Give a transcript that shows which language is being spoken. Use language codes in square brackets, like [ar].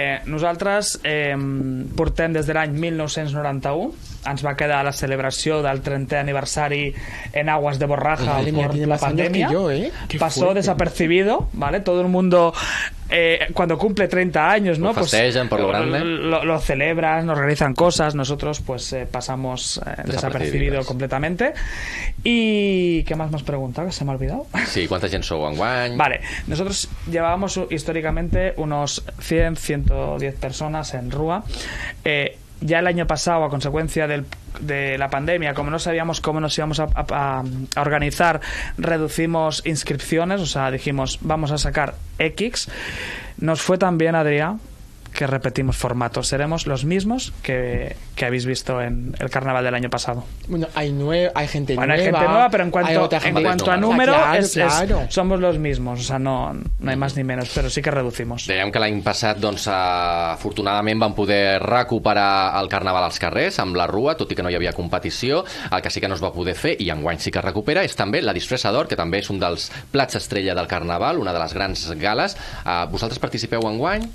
[ca] Nosaltres portem des de l'any 1991. Ens va quedar la celebració del 30è aniversari en [es] aguas de borraja por la [ca] pandèmia. [es] Pasó desapercibido, ¿vale? Todo el mundo cuando cumple 30 años, ¿no? Pues festejan por lo grande. Lo celebran, nos realizan cosas, nosotros pues pasamos desapercibido completamente. ¿Y qué más me has preguntado? Que se me ha olvidado. Sí, ¿cuánta gente [ca] sou en guany? [es] Vale, nosotros llevábamos históricamente unos 100, 110 personas en rúa. Ya el año pasado, a consecuencia de la pandemia, como no sabíamos cómo nos íbamos a organizar, reducimos inscripciones, o sea, dijimos, vamos a sacar X. Nos fue tan bien, Adrià, que repetimos formato. Seremos los mismos que habéis visto en el carnaval del año pasado. Bueno, hay gente bueno, nueva. Bueno, hay gente nueva, pero en cuanto a número, claro. Somos los mismos. O sea, no hay más ni menos, pero sí que reducimos. [ca] Dèiem que l'any passat, doncs, afortunadament, vam poder recuperar el carnaval als carrers, amb la rua, tot i que no hi havia competició. El que sí que no es va poder fer, i enguany sí que recupera, és també la disfressa d'or, que també és un dels plats estrella del carnaval, una de les grans gales. Vosaltres participeu enguany?